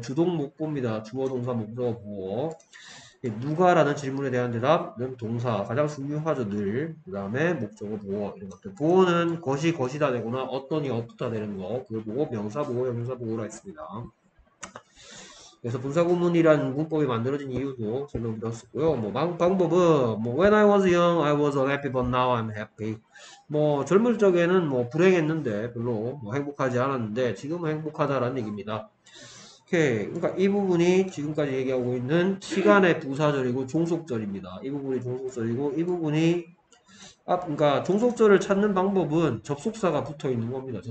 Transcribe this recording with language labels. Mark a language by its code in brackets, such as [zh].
[ko] 주동 목보입니다. 주어 동사 목적어 보어. 누가라는 질문에 대한 대답은 동사 가장 중요하죠. 늘. 그 다음에 목적어 보어 이런 것들. 보어는 것이 것이다 되거나 어떤이 어떻다 되는 거. 그걸 보고 명사 보어, 형용사 보어라 했습니다. 그래서 분사구문이라는 문법이 만들어진 이유도 설명드렸었고요. 뭐 방법은 뭐 [en] when I was young, I was unhappy, but now I'm happy. [ko] 뭐 젊을 적에는 뭐 불행했는데 별로 뭐 행복하지 않았는데 지금은 행복하다라는 얘기입니다. 오케이. 그러니까 이 부분이 지금까지 얘기하고 있는 시간의 부사절이고 종속절입니다. 이 부분이 종속절이고 이 부분이 그러니까 종속절을 찾는 방법은 접속사가 붙어 있는 겁니다.